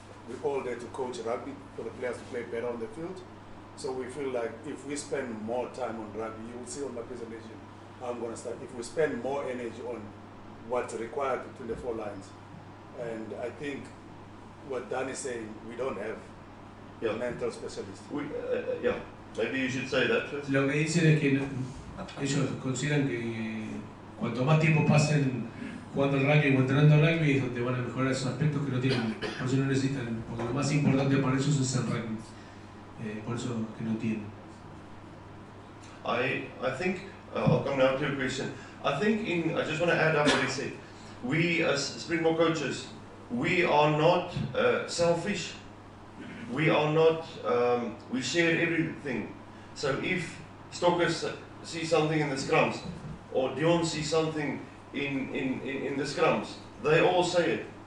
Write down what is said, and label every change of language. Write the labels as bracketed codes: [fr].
[en] We're all there to coach rugby for the players to play better on the field. So we feel like if we spend more time on rugby, you will see on my presentation how I'm gonna start. If we spend more energy on what's required between the four lines, and I think what Dan is saying, we don't have a mental specialist. Maybe you should say that first. [es] Lo que dicen es que ellos consideran que cuanto más tiempo pasen jugando al rugby o entrenando al rugby es donde van a mejorar esos aspectos que no tienen, por eso no necesitan, porque lo más importante para ellos es el rugby, por eso que no tienen. [en] I think I'll come now to your question. I just want to add up what he said. We as Springbok coaches, we are not selfish. We are not, we share everything. So if Stokkers see something in the scrums, or Dion sees something in the scrums, they all say it.